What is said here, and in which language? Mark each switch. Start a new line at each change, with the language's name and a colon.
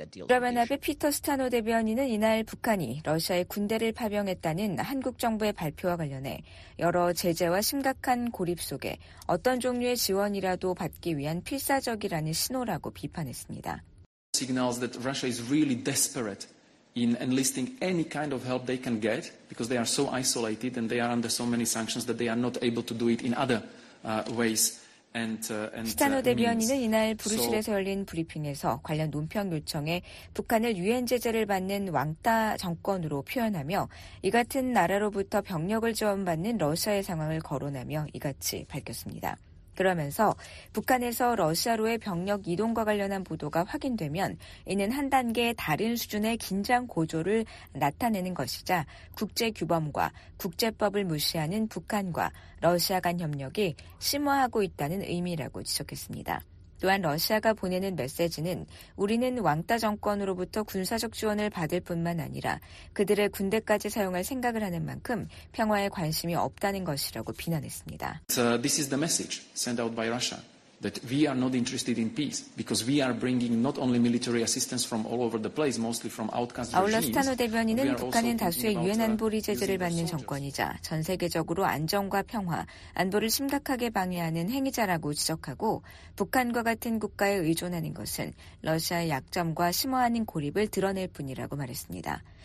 Korean: 유럽연합의 피터 스타노 대변인은 이날 북한이 러시아에 군대를 파병했다는 한국 정부의 발표와 관련해 여러 제재와 심각한 고립 속에 어떤 종류의 지원이라도 받기 위한 필사적이라는 신호라고 비판했습니다.
English: Signals that Russia is really desperate in enlisting any kind of help they can get because they are so isolated and they are under so many sanctions that they are not able to do it in other ways.
Korean: 스타노 대변인은 이날 브뤼셀에서 열린 브리핑에서 관련 논평 요청에 북한을 유엔 제재를 받는 왕따 정권으로 표현하며 이 같은 나라로부터 병력을 지원받는 러시아의 상황을 거론하며 이같이 밝혔습니다. 그러면서 북한에서 러시아로의 병력 이동과 관련한 보도가 확인되면 이는 한 단계 다른 수준의 긴장 고조를 나타내는 것이자 국제 규범과 국제법을 무시하는 북한과 러시아 간 협력이 심화하고 있다는 의미라고 지적했습니다. 또한 러시아가 보내는 메시지는 우리는 왕따 정권으로부터 군사적 지원을 받을 뿐만 아니라 그들의 군대까지 사용할 생각을 하는 만큼 평화에 관심이 없다는 것이라고 비난했습니다.
English: This is the message sent out by Russia that we are not interested in peace because we are bringing not only military assistance from all over the place, mostly from outcast regimes.
Korean: 아울러 스타노 대변인은 북한은 다수의 유엔 안보리 제재를 받는 정권이자 전 세계적으로 안정과 평화, 안보를 심각하게 방해하는 행위자라고 지적하고 북한과 같은 국가에 의존하는 것은 러시아의 약점과 심화하는 고립을 드러낼 뿐이라고 말했습니다.